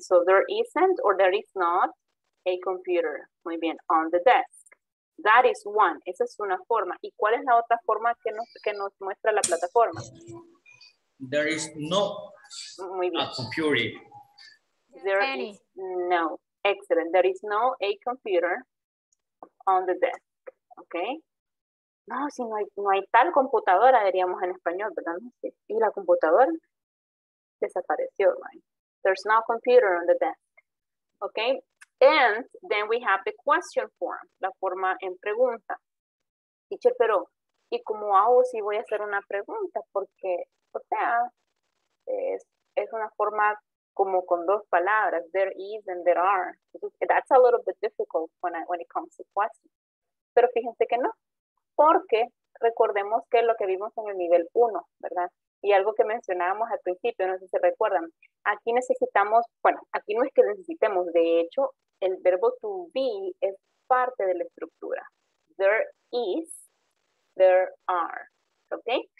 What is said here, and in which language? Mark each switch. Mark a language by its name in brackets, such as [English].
[English] So there isn't or there is not a computer. [Spanish] Muy bien. [English] On the desk. That is one. [Spanish] Esa es una forma. ¿Y cuál es la otra forma que nos muestra la plataforma? [English] There is no [Spanish] muy bien. [English] A computer. There Any. Is no. Excellent. There is no a computer on the desk. Okay. [Spanish] No, si no hay tal computadora, diríamos en español, ¿verdad? No sé. Y la computadora desapareció, right? [English] There's no computer on the desk, okay? And then we have the question form, [Spanish] la forma en pregunta. Teacher, pero, ¿y cómo hago si voy a hacer una pregunta? Porque, o sea, es una forma como con dos palabras, there is and there are. [English] That's a little bit difficult when it comes to questions. [Spanish] Pero fíjense que no. Porque recordemos que lo que vimos en el nivel 1, ¿verdad? Y algo que mencionábamos al principio, no sé si se recuerdan. Aquí necesitamos, bueno, aquí no es que necesitemos. De hecho, el verbo to be es parte de la estructura. [English] There is, there are, ¿ok?